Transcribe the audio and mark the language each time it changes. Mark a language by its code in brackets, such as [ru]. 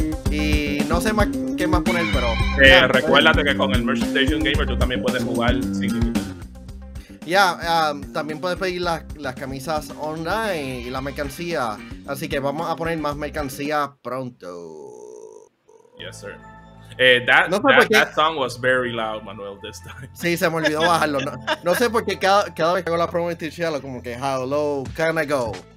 [es] Y no sé más qué más poner, pero recuérdate que con el Merch Station Gamer tú también puedes jugar sin también puedes pedir las camisas online y la mercancía, así que vamos a poner más mercancía pronto. [en] Yes sir. That song was very loud, Manuel, this time. [es] Sí, se me olvidó bajarlo. No sé por qué cada vez que hago la promo de Tichelo, como que [en] how low can I go.